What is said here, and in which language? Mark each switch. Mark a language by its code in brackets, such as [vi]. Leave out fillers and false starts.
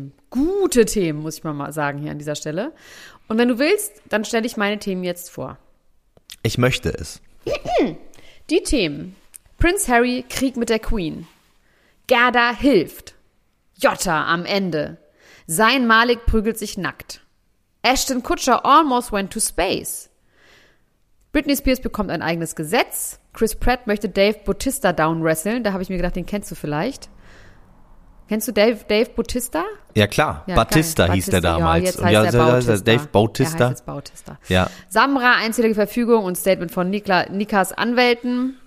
[de] Gute Themen, muss ich mal sagen hier an dieser Stelle. Und wenn du willst, dann stelle ich meine Themen jetzt vor. Ich möchte es. Die Themen. Prinz Harry, Krieg mit der Queen. Gerda hilft. Jotta am Ende. Sein Malik prügelt sich nackt. [en] Ashton Kutcher almost went to space. [de] Britney Spears bekommt ein eigenes Gesetz. Chris Pratt möchte Dave Bautista downwresteln. Da habe ich mir gedacht, den kennst du vielleicht. Kennst du Dave Bautista? Ja, klar. Ja, Bautista hieß der damals. Ja, jetzt heißt er Bautista. Dave Bautista. Er heißt jetzt Bautista. Ja. Samra, einzige Verfügung und Statement von Nikas Anwälten.